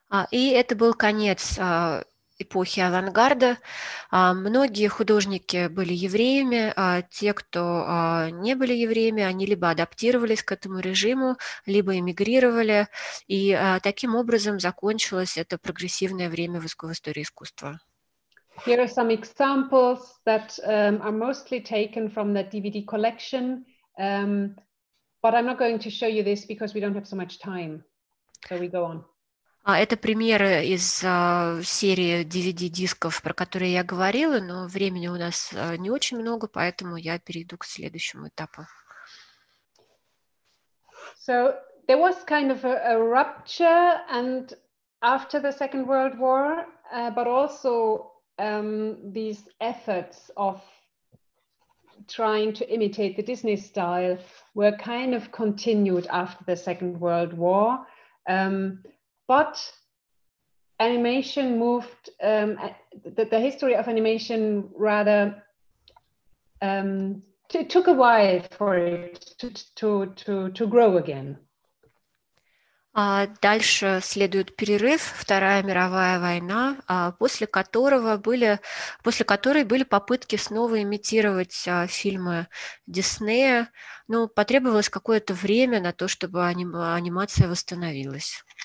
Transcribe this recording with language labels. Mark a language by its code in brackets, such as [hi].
[ru] И это был конец эпохи авангарда. Многие художники были евреями, те, кто не были евреями, они либо адаптировались к этому режиму, либо эмигрировали, и таким образом закончилось это прогрессивное время в истории искусства. [en] Here are some examples that are mostly taken from the DVD collection, but I'm not going to show you this because we don't have so much time. So we go on. [ru] Это примеры из серии DVD-дисков, про которые я говорила, но времени у нас не очень много, поэтому я перейду к следующему этапу. [en] So there was kind of a rupture and after the Second World War, but also these efforts of trying to imitate the Disney style were kind of continued after the Second World War. But animation moved, the history of animation rather, it took a while for it to grow again. [ru] Дальше следует перерыв, Вторая мировая война, после которой были попытки снова имитировать фильмы Диснея. Но потребовалось какое-то время на то, чтобы анимация восстановилась.